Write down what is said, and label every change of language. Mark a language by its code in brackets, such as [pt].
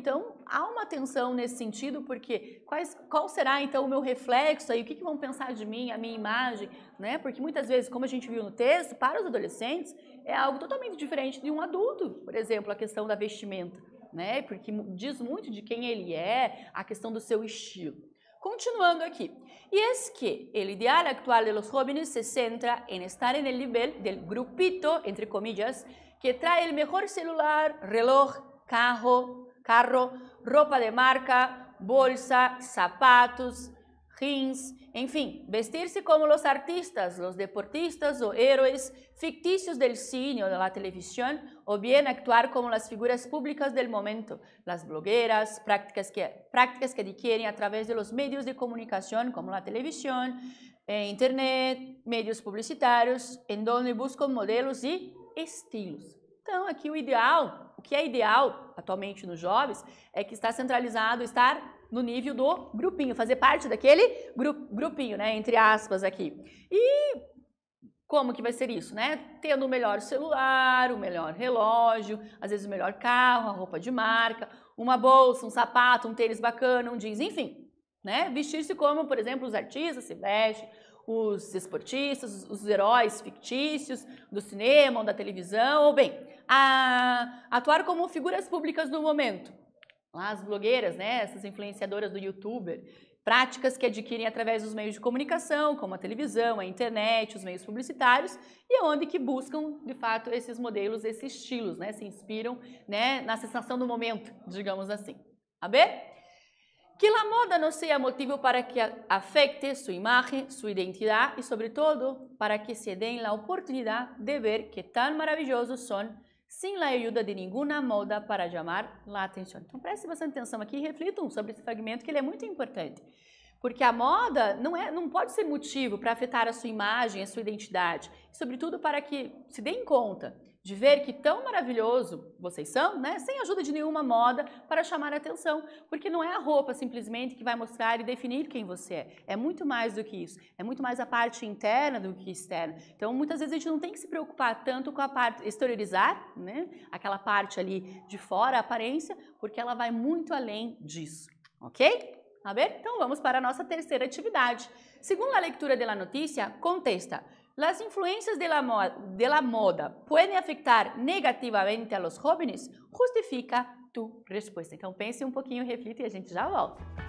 [pt] Então, há uma tensão nesse sentido, porque qual será então o meu reflexo aí? O que que vão pensar de mim, a minha imagem, né? Porque muitas vezes, como a gente viu no texto, para os adolescentes é algo totalmente diferente de um adulto, por exemplo, a questão da vestimenta, né? Porque diz muito de quem ele é, a questão do seu estilo. Continuando aqui. [es] E es que el ideal actual de los jóvenes se centra en estar en el nivel del grupito, entre comillas, que trae el mejor celular, reloj, carro, ropa de marca, bolsa, zapatos, jeans, enfim, vestirse como los artistas, los deportistas o héroes ficticios del cine o de la televisión, o bien actuar como las figuras públicas del momento, las blogueras, prácticas que adquieren a través de los medios de comunicación como la televisión, internet, medios publicitarios, en donde buscan modelos y estilos. [pt] Então, aqui o ideal, o que é ideal atualmente nos jovens, é que está centralizado, estar no nível do grupinho, fazer parte daquele grupinho, né, entre aspas aqui. E como que vai ser isso, né? Tendo o melhor celular, o melhor relógio, às vezes o melhor carro, a roupa de marca, uma bolsa, um sapato, um tênis bacana, um jeans, enfim, né? Vestir-se como, por exemplo, os artistas se vestem, os esportistas, os heróis fictícios do cinema ou da televisão, ou bem, atuar como figuras públicas do momento. As blogueiras, né, essas influenciadoras do YouTuber, práticas que adquirem através dos meios de comunicação, como a televisão, a internet, os meios publicitários, e onde que buscam, de fato, esses modelos, esses estilos, né, se inspiram, né, na sensação do momento, digamos assim. A ver? [es] Que la moda no sea motivo para que afecte su imagen, su identidad y sobre todo para que se den la oportunidad de ver qué tan maravillosos son sin la ayuda de ninguna moda para llamar la atención. [pt] Então, preste bastante atenção aqui e reflitam sobre esse fragmento, que ele é muito importante. Porque a moda não pode ser motivo para afetar a sua imagem, a sua identidade. Sobretudo para que se deem conta de ver que tão maravilhoso vocês são, né? Sem ajuda de nenhuma moda para chamar a atenção. Porque não é a roupa simplesmente que vai mostrar e definir quem você é. É muito mais do que isso. É muito mais a parte interna do que externa. Então, muitas vezes a gente não tem que se preocupar tanto com a parte exteriorizar, né? Aquela parte ali de fora, a aparência, porque ela vai muito além disso. Ok? A ver? Então, vamos para a nossa terceira atividade. Segundo a leitura da notícia, contesta. [es] Las influencias de la moda pueden afectar negativamente a los jóvenes. Justifica tu respuesta. [pt] Então pense um pouquinho, reflita e a gente já volta.